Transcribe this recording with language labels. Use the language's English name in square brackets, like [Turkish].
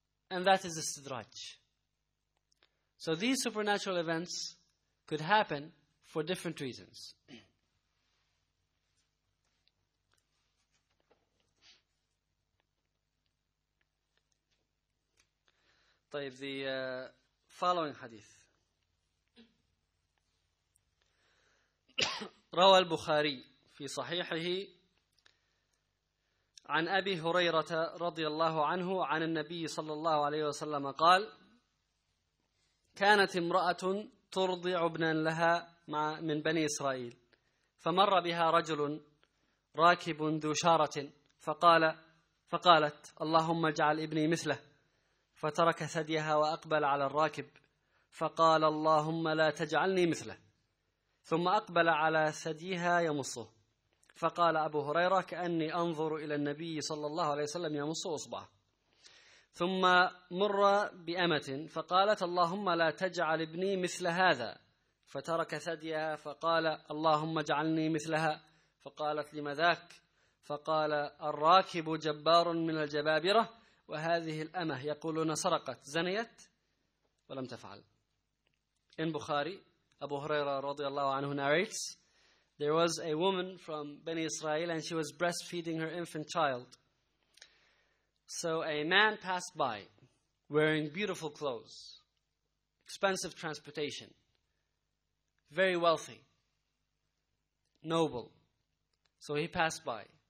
[English] And that is the istidraj. So these supernatural events could happen for different reasons. [Arabic] طيب, [English] the following hadith. [Arabic] روى البخاري في صحيحه عن أبي هريرة رضي الله عنه عن النبي صلى الله عليه وسلم قال كانت امرأة ترضع ابنا لها مع من بني إسرائيل فمر بها رجل راكب ذو شارة فقالت اللهم اجعل ابني مثله فترك ثديها وأقبل على الراكب فقال اللهم لا تجعلني مثله ثم أقبل على ثديها يمصه فقال أبو هريرة كأني أنظر إلى النبي صلى الله عليه وسلم يمص أصبعه ثم مر بأمة فقالت اللهم لا تجعل ابني مثل هذا فترك ثديها فقال اللهم اجعلني مثلها فقالت لماذاك فقال الراكب جبار من الجبابرة وهذه الأمة يقولون سرقت زنيت ولم تفعل. [English] In Bukhari, Abu Huraira رضي الله عنه narrates, there was a woman from Bani Israel and she was breastfeeding her infant child. So a man passed by wearing beautiful clothes, expensive transportation, very wealthy, noble. So he passed by.